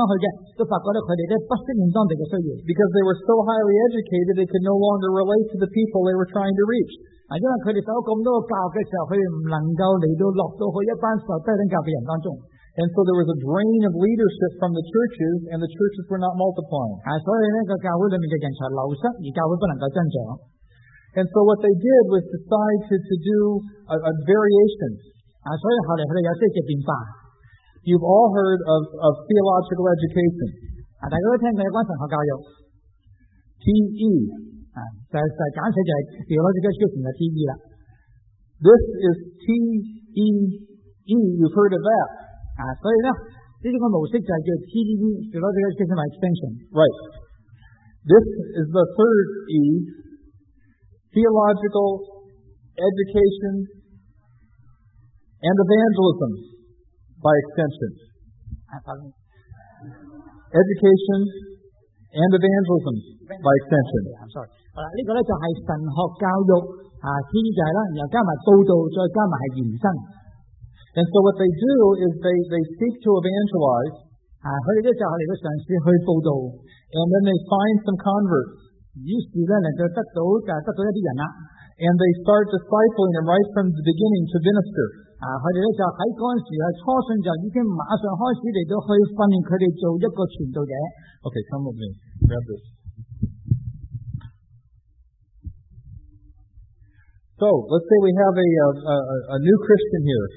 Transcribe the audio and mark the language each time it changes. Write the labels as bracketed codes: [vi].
[zh] 而那些回去的,可能是西方人士,回去的,都發覺他們不適應當地的需要。 [en] Because they were so highly educated, they could no longer relate to the people they were trying to reach. [zh] 因為他們受了這麼多的教的時候,他們不能夠來到一班受低等教的人當中。 [en] And so there was a drain of leadership from the churches, and the churches were not multiplying. [zh] 所以那個教會裡面的人才流失,而教會不能夠增長。 [en] And so what they did was decide to do a variation. [zh] 所以後來他們有些變化。 [en] You've all heard of theological education. [zh] 大家都聽過有關神學教育。 [en] TE. [zh] 簡寫就是 [en] theological education [zh] 的TE啦。 [en] This is TEE, you've heard of that. [zh] 所以呢,這個模式就是 [en] TEE, theological education by extension. Right. This is the third E, theological education and evangelism by extension. Education and evangelism by extension. I'm sorry. And so what they do is they seek to evangelize. And then they find some converts. [zh] 於是呢,就得到一些人啊, [en] and they start discipling them right from the beginning to minister. [zh] 他們就在那時候,初信就已經馬上開始去訓練他們做一個傳道者。 [en] Okay, come with me. Grab this. So, let's say we have a new Christian here.